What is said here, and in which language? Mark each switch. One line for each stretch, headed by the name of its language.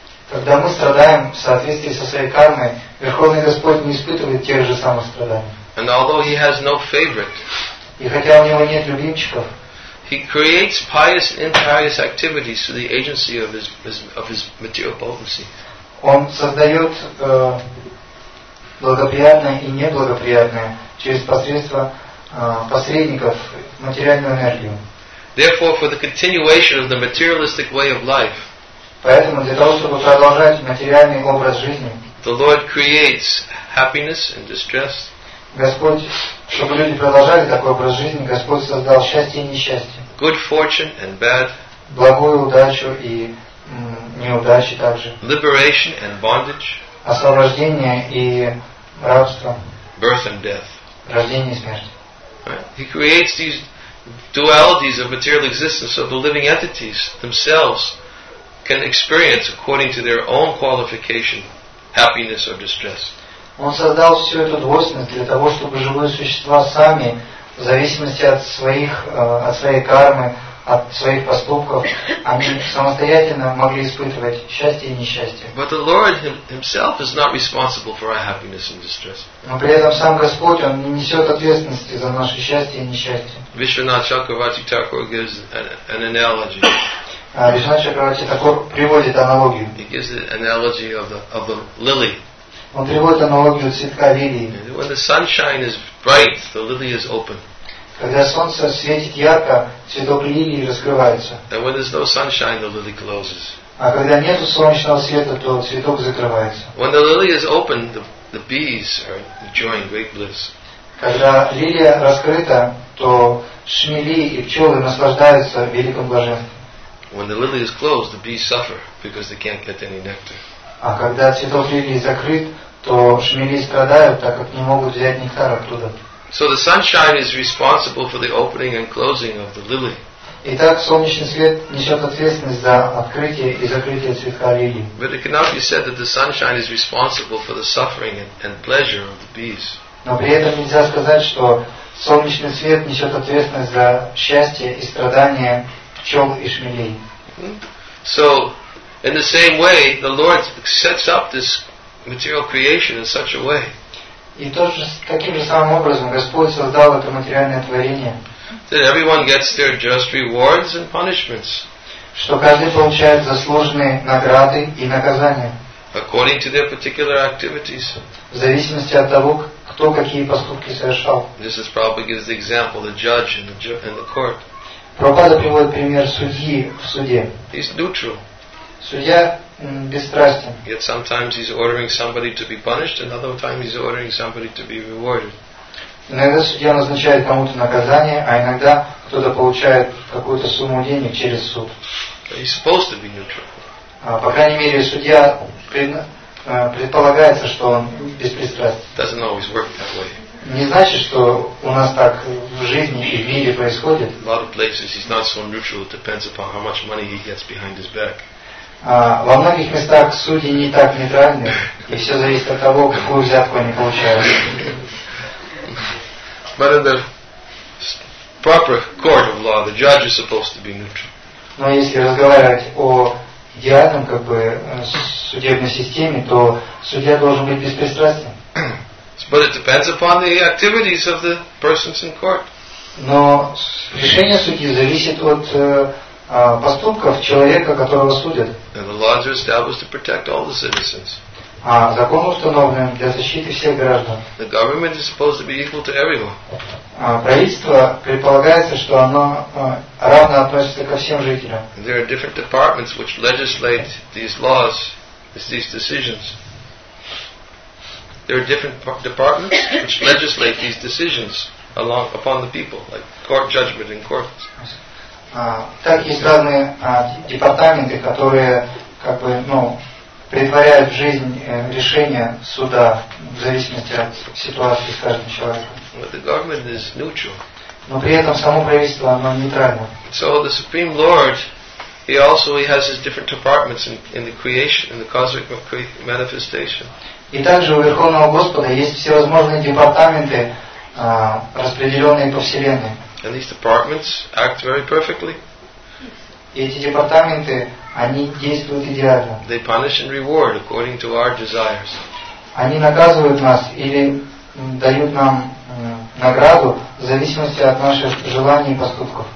Russian: Когда мы страдаем в соответствии со своей кармой, Верховный Господь не испытывает тех же самых страданий.
English: And although he has no favorite,
Russian: и хотя у него нет любимчиков,
English: he creates pious and impious activities through the agency of his material potency.
Russian: Он создает благоприятное и неблагоприятное через посредство посредников материальную энергию.
English: Therefore, for the continuation of the materialistic way of life,
Russian: поэтому для того, чтобы продолжать материальный образ жизни,
English: the Lord creates happiness and distress.
Russian: Господь, чтобы люди продолжали такой образ жизни, Господь создал счастье и несчастье.
English: Good fortune and bad.
Russian: Благую удачу и неудачи также.
English: Liberation and bondage.
Russian: Освобождение и рабство.
English: Birth and death.
Russian: Рождение и смерть.
English: He creates these dualities of material existence so the living entities themselves can experience according to their own qualification happiness or distress.
Russian: Он создал всю эту двойственность для того, чтобы живые существа сами, в зависимости от своих, от своей кармы, от своих поступков, они самостоятельно могли испытывать счастье и несчастье.
English: But the Lord himself is not responsible for our happiness and distress.
Russian: Но при этом сам Господь, он не несет ответственности за наше счастье и несчастье.
English: Vishwanath Chakravarti Thakur gives an analogy.
Russian: Vishwanath Chakravarti Thakur приводит аналогию.
English: He gives the analogy of the lily.
Russian: Он приводит аналогию цветка лилии.
English: When the sunshine is bright, the lily is open.
Russian: Когда солнце светит ярко, цветок лилии раскрывается.
English: And when there's no sunshine, the lily closes.
Russian: А когда нет солнечного света, то цветок закрывается.
English: When the lily is open, the bees are enjoying great bliss.
Russian: Когда лилия раскрыта, то шмели и пчелы наслаждаются великим блаженством.
English: When the lily is closed, the bees suffer because they can't get any nectar.
Russian: А когда цветок лилии закрыт, то шмели страдают, так как не могут взять нектар оттуда.
English: So the sunshine is responsible for the opening and closing of the lily.
Russian: Итак, солнечный свет несет ответственность за открытие и закрытие цветка лилии.
English: But it cannot be said that the sunshine is responsible for the suffering and pleasure of the bees.
Russian: Но при этом нельзя сказать, что солнечный свет несет ответственность за счастье и страдания пчел и шмелей.
English: So, in the same way, the Lord sets up this material creation in such a way.
Russian: И таким же самым образом Господь создал это материальное творение.
English: That everyone gets their just rewards and punishments.
Russian: Что каждый получает заслуженные награды и наказания.
English: According to their particular activities.
Russian: В зависимости от того, кто какие поступки совершал.
English: This is probably gives the example the judge in the court.
Russian: Прабхупада приводит пример судьи в суде.
English: He's neutral.
Russian: Судья бесстрастен.
English: Yet sometimes he's ordering somebody to be punished, another time he's ordering somebody to be rewarded.
Russian: Иногда судья назначает кому-то наказание, а иногда кто-то получает какую-то сумму денег через суд.
English: He's supposed to be neutral.
Russian: По крайней мере, судья предполагается, что он беспристрастен.
English: Doesn't always work that way.
Russian: Не значит, что у нас так в жизни и в мире происходит.
English: A lot of places he's not so neutral. It depends upon how much money he gets behind his back.
Russian: Во многих местах судьи не так нейтральны, и все зависит от того, какую взятку они получают.
English: But in the proper court of law, the judge is supposed to be neutral.
Russian: Но если разговаривать о идеальном, как бы, судебной системе, то судья должен быть беспристрастен.
English: But it depends upon the activities of the persons in court.
Russian: Но решение судьи зависит от поступков человека, которого судят.
English: And the laws are established to protect all the citizens.
Russian: А закон установлен для защиты всех граждан.
English: The government is supposed to be equal to everyone.
Russian: Правительство предполагается, что оно равно относится ко всем жителям.
English: There are different departments which legislate these laws, these decisions. There are different departments which legislate these decisions along upon the people, like court judgment and courts.
Russian: Так есть разные департаменты, которые как бы, ну, претворяют в жизнь решения суда в зависимости от ситуации с каждым человеком.
English: But the government is neutral.
Russian: Но при этом само правительство, оно нейтрально.
English: So the Supreme Lord, he has his different departments in the creation, in the cosmic manifestation.
Russian: И также у Верховного Господа есть всевозможные департаменты, распределенные по Вселенной.
English: And these departments act very perfectly.
Russian: Эти департаменты, они действуют идеально.
English: They punish and reward according to our desires.
Russian: Они наказывают нас или дают нам награду в зависимости от наших желаний и поступков.